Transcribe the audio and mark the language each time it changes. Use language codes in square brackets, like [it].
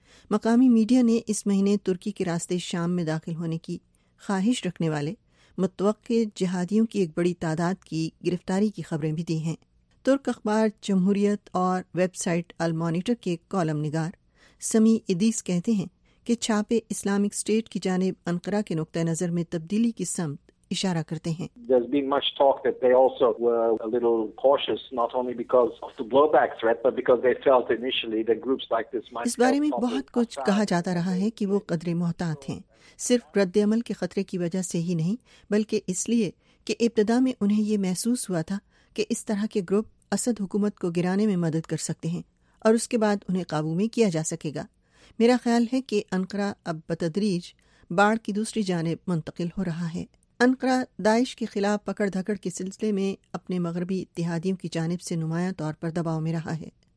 [ur] مقامی میڈیا نے اس مہینے ترکی کے راستے شام میں داخل ہونے کی خواہش رکھنے والے متوقع جہادیوں کی ایک بڑی تعداد کی گرفتاری کی خبریں بھی دی ہیں۔ ترک اخبار جمہوریت اور ویب سائٹ المونیٹر کے کالم نگار سمی ادیس کہتے ہیں کہ چھاپے اسلامک اسٹیٹ کی جانب انقرہ کے نقطہ نظر میں تبدیلی کی سمت اشارہ کرتے ہیں۔ [en] There's been much talk that they also were a little cautious, not only because of the blowback threat, but because they felt initially that groups like this might... [ur] اس بارے میں بہت کچھ کہا جاتا رہا ہے کہ وہ قدر محتاط ہیں، صرف رد عمل کے خطرے کی وجہ سے ہی نہیں، بلکہ اس لیے کہ ابتدا میں انہیں یہ محسوس ہوا تھا کہ اس طرح کے گروپ اسد حکومت کو گرانے میں مدد کر سکتے ہیں اور اس کے بعد انہیں قابو میں کیا جا سکے گا۔ میرا خیال ہے کہ انقرہ اب بتدریج باڑ کی دوسری جانب منتقل ہو رہا ہے۔ انقرہ داعش کے خلاف پکڑ دھکڑ کے سلسلے میں اپنے مغربی اتحادیوں کی جانب سے نمایاں طور پر دباؤ میں رہا ہے۔